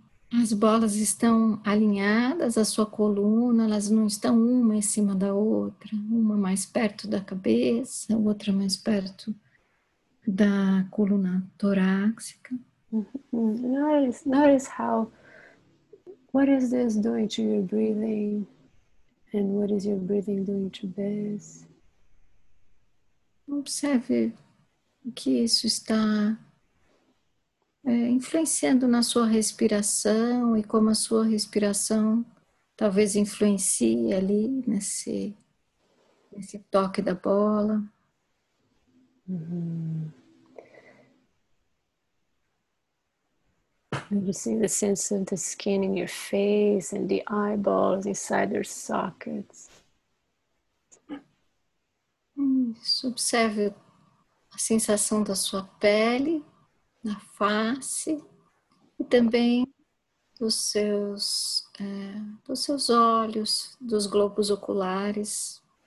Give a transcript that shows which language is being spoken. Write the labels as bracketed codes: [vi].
[pt] As bolas estão alinhadas à sua coluna, elas não estão uma em cima da outra, uma mais perto da cabeça, outra mais perto da coluna torácica. [en] Notice how, what is this doing to your breathing? And what is your breathing doing to this? [pt] Observe o que isso está influenciando na sua respiração e como a sua respiração talvez influencie ali nesse toque da bola. [en] Noticing the sense of the skin in your face and the eyeballs inside their sockets. [pt] Observe a sensação da sua pele, na face e também dos seus olhos, dos globos oculares.